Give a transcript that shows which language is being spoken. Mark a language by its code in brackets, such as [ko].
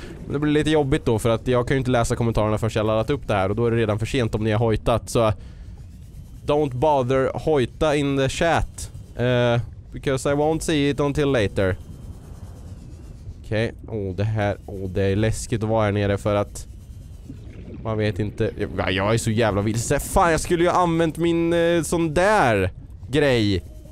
[sv] Det blir lite jobbigt då, för att jag kan ju inte läsa kommentarerna förrän jag laddat upp det här. Och då är det redan för sent om ni har hojtat. [en] Så don't bother hojta in the chat. Because I won't see it until later. Okej. Okay. [sv] Det är läskigt att vara här nere, för att man vet inte. Jag är så jävla vilse. Fan, jag skulle ju ha använt min sån där grej.